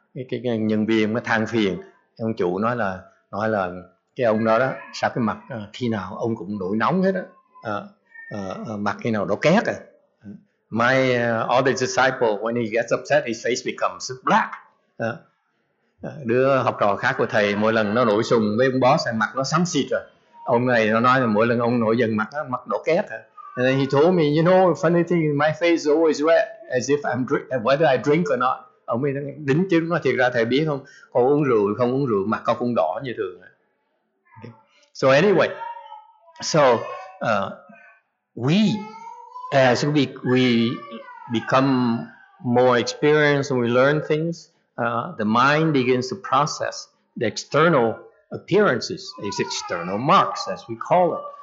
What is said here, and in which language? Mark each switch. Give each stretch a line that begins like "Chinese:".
Vietnamese: Cái nhân viên mới than phiền. Ông chủ nói là cái ông đó đó, sao cái mặt khi nào ông cũng nổi nóng hết á. Mặt khi nào đổ két à.
English: My other disciple, when he gets upset, his face becomes black.
Vietnamese: Đứa học trò khác của thầy, mỗi lần nó nổi sùng với ông boss, mặt nó xám xịt rồi. Ông này nó nói là mỗi lần ông nổi giận mặt đỏ két.
English: And then he told me, you know, funny thing, my face is always red, as if I'm whether I drink or not.
Vietnamese: Ông ấy đính chứ, nói thiệt ra thầy biết không? Con uống rượu, không uống rượu, mặt con cũng đỏ như thường.
English: Okay. So anyway, so we become more experienced and we learn things, the mind begins to process the external appearances, its external marks, as we call it.